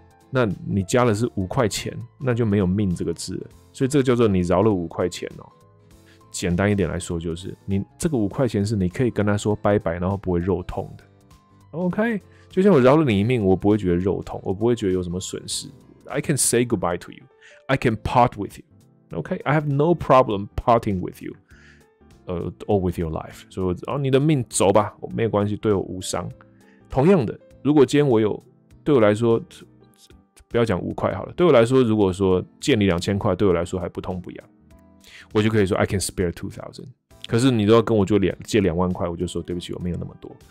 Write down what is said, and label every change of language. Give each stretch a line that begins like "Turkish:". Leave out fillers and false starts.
Chinese: 那你加的是五块钱，那就没有命这个字了，所以这个叫做你饶了五块钱哦。简单一点来说，就是你这个五块钱是你可以跟他说拜拜，然后不会肉痛的。 OK， 就像我饶了你一命，我不会觉得肉痛，我不会觉得有什么损失。
English: I can say goodbye to you. I can part with you. OK, I have no problem parting with you, or with your life.
Chinese: 所以哦，你的命走吧，没有关系，对我无伤。同样的，如果今天我有，对我来说，不要讲五块好了，对我来说，如果说借你两千块，对我来说还不痛不痒。我就可以说
English: I can spare 2,000，
Chinese: 可是你都要跟我就借两万块，我就说对不起，我没有那么多。